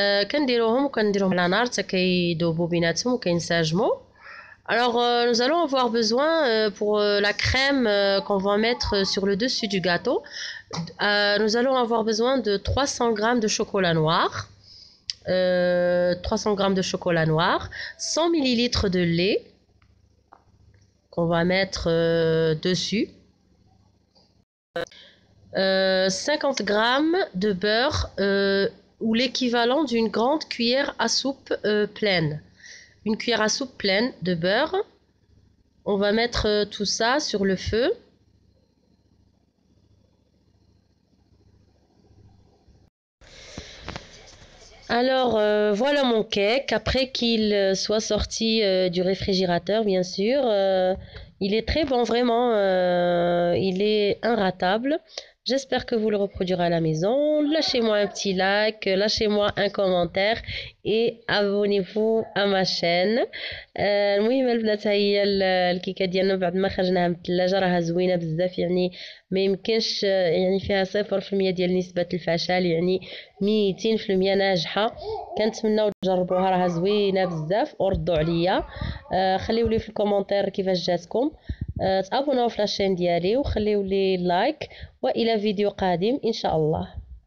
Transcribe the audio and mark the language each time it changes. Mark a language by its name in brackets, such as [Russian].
[Arabic] كنديروهم وكنديروهم على نار حتى كيذوبوا بيناتهم وكينسجموا [French] alors nous allons avoir besoin pour la crème qu'on va mettre sur le dessus du gâteau nous allons avoir besoin de 300 grammes de chocolat noir 300 g de chocolat noir, 100 ml de lait qu'on va mettre dessus, 50 g de beurre ou l'équivalent d'une grande cuillère à soupe pleine. Une cuillère à soupe pleine de beurre. On va mettre tout ça sur le feu. Alors voilà mon cake, après qu'il soit sorti du réfrigérateur bien sûr, il est très bon vraiment, il est inratable. J'espère que vous le reproduirez à la maison, lâchez-moi un petit like, lâchez-moi un commentaire et abonnez-vous à ma chaîne. [Arabic] المهم البنات ها هي الكيكه ديالنا بعد ما خرجناها من الثلاجه راه زوينه بزاف يعني ما يمكنش يعني فيها 0% ديال نسبه الفشل يعني 200% ناجحه كنتمنوا تجربوها راه زوينه بزاف وردوا عليا خليوا لي في الكومونتير كيفاش جاتكم تابوناو في لاشين ديالي وخليوا لي لايك والى فيديو قادم ان شاء الله.